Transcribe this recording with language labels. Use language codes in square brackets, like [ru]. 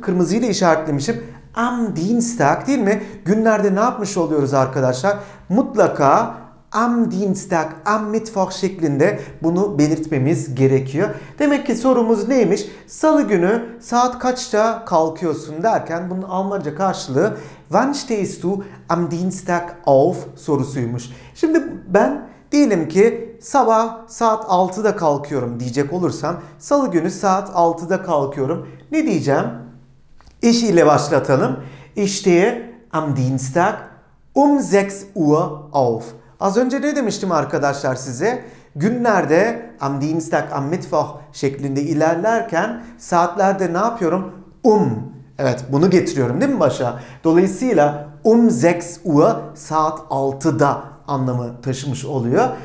[tr] Kırmızıyla işaretlemişim. [de] Am Dienstag, [tr] değil mi? Günlerde ne yapmış oluyoruz arkadaşlar? Mutlaka [de] am Dienstag, am Mittwoch [tr] şeklinde bunu belirtmemiz gerekiyor. Demek ki sorumuz neymiş? Salı günü saat kaçta kalkıyorsun derken bunun Almanca karşılığı [de] Wann stehst du am Dienstag auf [tr] sorusuymuş. Şimdi ben diyelim ki sabah saat 6'da kalkıyorum diyecek olursam, salı günü saat 6'da kalkıyorum. Ne diyeceğim? İş ile başlatalım. [de] Ich stehe am Dienstag um 6 Uhr auf. [tr] Az önce ne demiştim arkadaşlar size? Günlerde [de] am Dienstag, am Mittwoch [tr] şeklinde ilerlerken saatlerde ne yapıyorum? Evet, bunu getiriyorum değil mi başa? Dolayısıyla 6 Uhr saat 6'da anlamı taşımış oluyor.